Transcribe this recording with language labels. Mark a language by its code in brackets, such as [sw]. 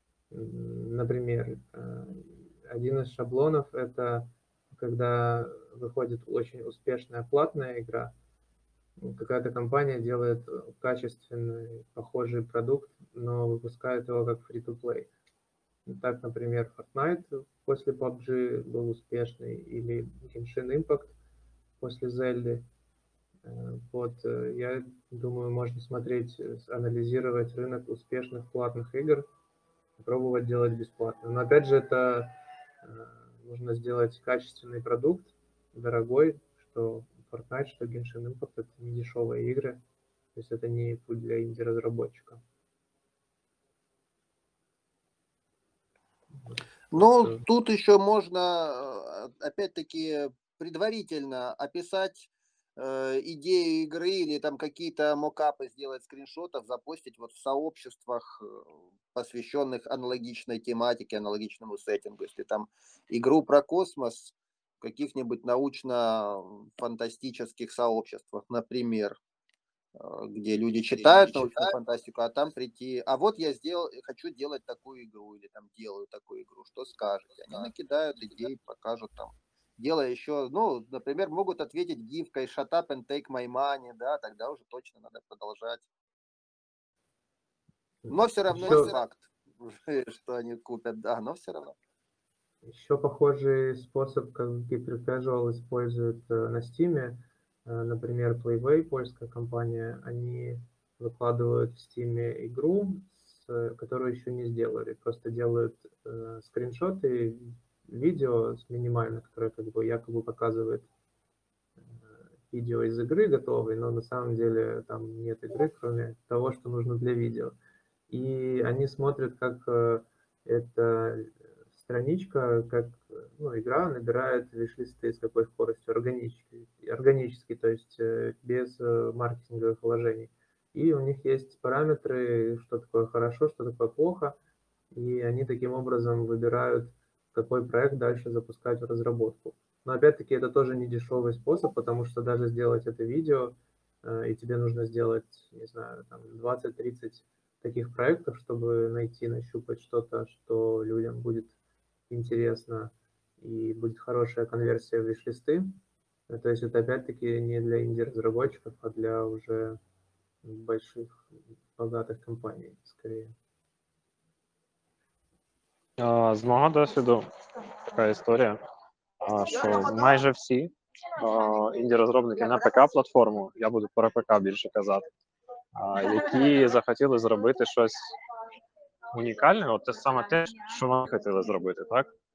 [ru] Например, один из шаблонов — это когда выходит очень успешная платная игра, какая-то компания делает качественный, похожий продукт, но выпускает его как free-to-play. Так, например, Fortnite после PUBG был успешный, или Genshin Impact после Zelda. Вот, я думаю, можно смотреть, анализировать рынок успешных платных игр, пробовать делать бесплатно. Но опять же, это нужно сделать качественный продукт, дорогой, что Fortnite, что Genshin Impact, это не дешевые игры. То есть это не путь для инди-разработчика. Ну, тут еще можно, опять-таки, предварительно описать идею игры или там какие-то мокапы сделать, скриншотов, запостить вот в сообществах, посвященных аналогичной тематике, аналогичному сеттингу. Если там игру про космос в каких-нибудь научно-фантастических сообществах, например, где люди читают научную фантастику, а там прийти, а вот я сделал, хочу делать такую игру, или там делаю такую игру, что скажете? Они накидают идеи, покажут там. Делая еще, ну, например, могут ответить гифкой [en] «Shut up and take my money», [ru] да, тогда уже точно надо продолжать. Но все равно еще... факт, что они купят, да, но все равно. Еще похожий способ, как HyperCasual использует на Steam, например, Playway, польская компания, они выкладывают в Steam игру, которую еще не сделали, просто делают скриншоты, видео с минимально, которое как бы якобы показывает видео из игры готовой, но на самом деле там нет игры, кроме того, что нужно для видео. И они смотрят, как эта страничка, как ну, игра набирает вишлисты, с какой скоростью, органически, то есть без маркетинговых вложений. И у них есть параметры, что такое хорошо, что такое плохо, и они таким образом выбирают, какой проект дальше запускать в разработку. Но опять-таки это тоже не дешевый способ, потому что даже сделать это видео, и тебе нужно сделать, не знаю, там 20-30 таких проектов, чтобы найти, нащупать что-то, что людям будет интересно и будет хорошая конверсия в виш-листы. То есть это опять-таки не для инди-разработчиков, а для уже больших, богатых компаний скорее. [uk] З мого досвіду така історія, що майже всі інді-розробники на ПК-платформу, я буду про ПК більше казати, які захотіли зробити щось унікальне, от те саме те, що вони хотіли зробити, так?